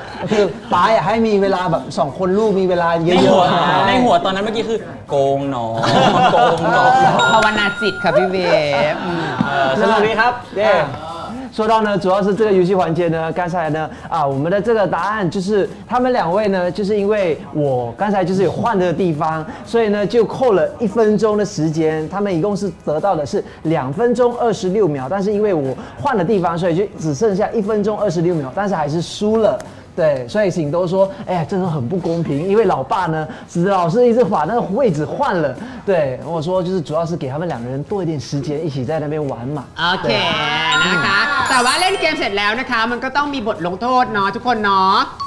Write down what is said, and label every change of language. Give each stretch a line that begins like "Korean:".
Thai: คือป้ายให้มีเวลาแบบ2คนลูกมีเวลาเยอะ ๆในหัวตอนนั้นเมื่อกี้คือโกงหนอโกงหนอ ภาวนาจิตค่ะพี่เวฟ สวัสดีครับเย้
Chinese: 说到呢主要是这个游戏环节呢刚才呢啊我们的这个答案就是他们两位呢就是因为我刚才就是有换的地方所以呢就扣了一分钟的时间他们一共是得到的是两分钟二十六秒但是因为我换的地方所以就只剩下一分钟二十六秒但是还是输了对，所以醒都说，哎呀，这个很不公平，因为老爸呢，只老是一直把那个位置换了。对，我说就是主要是给他们两个人多一点时间一起在那边玩嘛。 OK， 那卡，打完了这 game 完了呢，卡，
Thai: มันก็ต้องมีบทลงโทษเนาะทุกคนเนาะ。